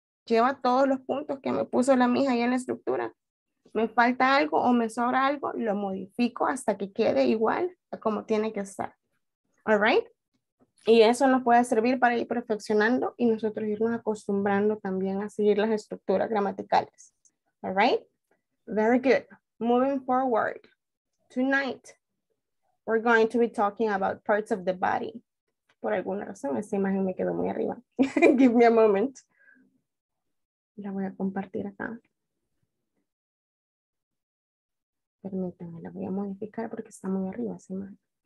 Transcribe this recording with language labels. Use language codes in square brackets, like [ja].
[es] Lleva todos los puntos que me puso la mija ahí en la estructura. Me falta algo o me sobra algo, lo modifico hasta que quede igual a como tiene que estar. [en] All right? [es] Y eso nos puede servir para ir perfeccionando y nosotros irnos acostumbrando también a seguir las estructuras gramaticales. [en] All right? Very good. Moving forward. Tonight, we're going to be talking about parts of the body. [es] Por alguna razón, esa imagen me quedó muy arriba. [en] Give me a moment. [es] La voy a compartir acá. Permítanme, la voy a modificar porque está muy arriba, se me.